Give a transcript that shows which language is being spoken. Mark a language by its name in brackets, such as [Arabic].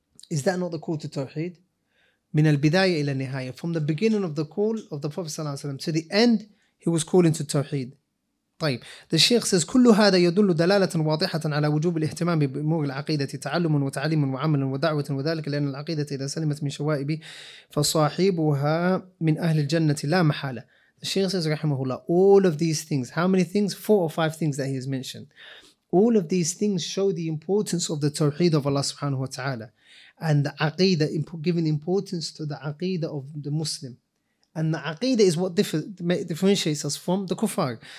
[English] Is that not the call to Tawheed? [Arabic] من البداية إلى النهاية. [English] From the beginning of the call of the Prophet ﷺ to the end, he was calling to Tawheed. The Shaykh says, [Arabic] كل هذا يدل دلالة واضحة على وجوب الاهتمام بأمور العقيدة تعلم وتعليم وعمل ودعوة وذلك لأن العقيدة إذا سلمت من شوائب فصاحبها من أهل الجنة لا محالة. [English] The Shaykh says, رحمه الله, all of these things, how many things? 4 or 5 things that he has mentioned. All of these things show the importance of the Tawheed of Allah subhanahu wa ta'ala and the Aqeedah, giving importance to the Aqeedah of the Muslim. And the Aqeedah is what differentiates us from the Kufar.